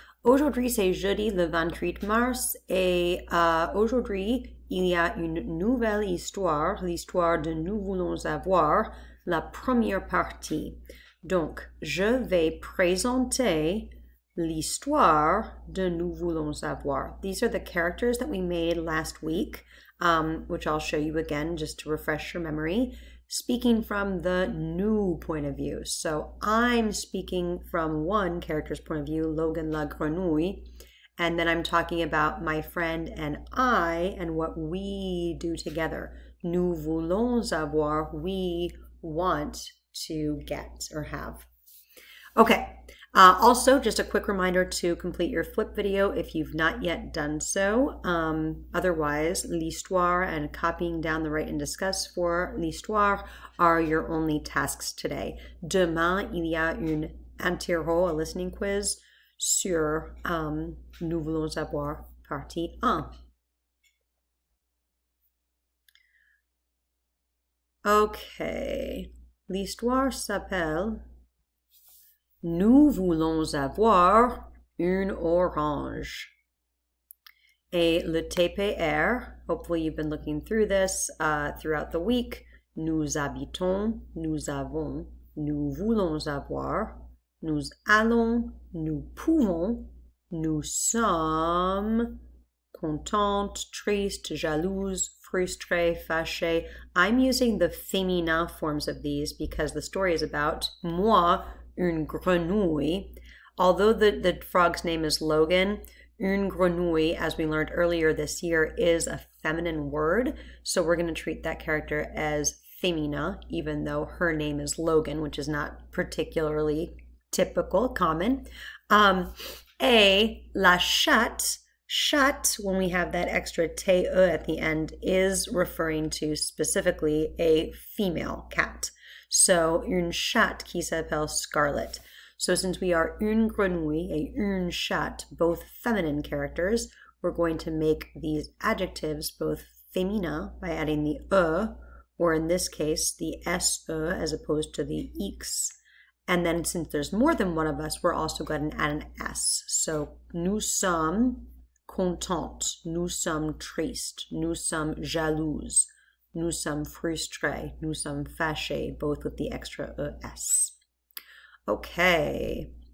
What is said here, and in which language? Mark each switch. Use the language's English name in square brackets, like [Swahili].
[French] Aujourd'hui, c'est jeudi le 28 mars et aujourd'hui, il y a une nouvelle histoire, l'histoire de Nous voulons avoir, la première partie. Donc, je vais présenter l'histoire de Nous voulons avoir. [English] These are the characters that we made last week, which I'll show you again just to refresh your memory. Speaking from the new point of view. So I'm speaking from one character's point of view, Logan La Grenouille, and then I'm talking about my friend and I and what we do together. [French] Nous voulons avoir, [English] we want to get or have. Okay, also, just a quick reminder to complete your flip video if you've not yet done so. Otherwise, l'histoire and copying down the write and discuss for l'histoire are your only tasks today. [French] Demain, il y a une interro, [English] a listening quiz, [French] sur Nous voulons avoir partie 1. Okay, l'histoire s'appelle. Nous voulons avoir une orange. Et le TPR, [English] hopefully you've been looking through this throughout the week. [French] Nous habitons, nous avons, nous voulons avoir, nous allons, nous pouvons, nous sommes contentes, tristes, jalouses, frustrées, fâchées. [English] I'm using the féminin forms of these because the story is about moi. [French] Une grenouille. [English] Although the frog's name is Logan, [French] une grenouille, [English] as we learned earlier this year, is a feminine word. So we're going to treat that character as femina, even though her name is Logan, which is not particularly typical, common. [French] A, la chatte. [English] Chatte, when we have that extra te at the end, is referring to specifically a female cat. So, [French] une chatte qui s'appelle Scarlet. [English] So, since we are [French] une grenouille et une chatte, [English] both feminine characters, we're going to make these adjectives both féminin by adding the e, or in this case, the SE as opposed to the X. And then, since there's more than one of us, we're also going to add an S. [French] So, nous sommes contentes, nous sommes tristes, nous sommes jalouses. Nous sommes frustrés, nous sommes fâchés, [English] both with the extra ES. Okay.